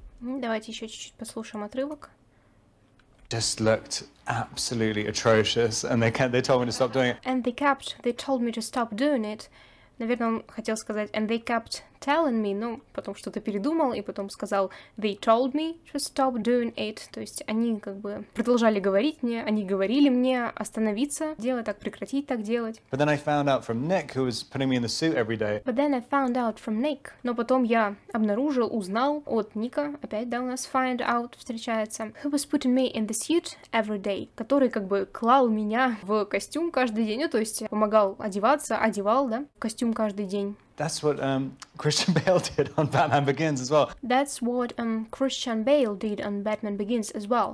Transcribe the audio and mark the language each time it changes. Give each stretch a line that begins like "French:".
Russian: Давайте еще чуть-чуть послушаем отрывок.
English: Just looked absolutely atrocious, and they told me to stop doing it. And they kept, they told me to stop doing it.
Russian: Наверное, он хотел сказать
English: and they kept telling me,
Russian: но потом что-то передумал и потом сказал
English: they told me to stop doing it.
Russian: То есть они как бы продолжали говорить мне, они говорили мне остановиться, делать так, прекратить так делать.
English: But then I found out from Nick, who was putting me in the suit every day. But then I found out from Nick.
Russian: Но потом я обнаружил, узнал от Ника, опять, да, у нас
English: find out
Russian: встречается,
English: who was putting me in the suit every day,
Russian: который как бы клал меня в костюм каждый день, ну, то есть помогал одеваться, одевал, да, костюм каждый день.
English: That's what Christian Bale did on Batman Begins as well. That's what Christian Bale did on Batman Begins as well.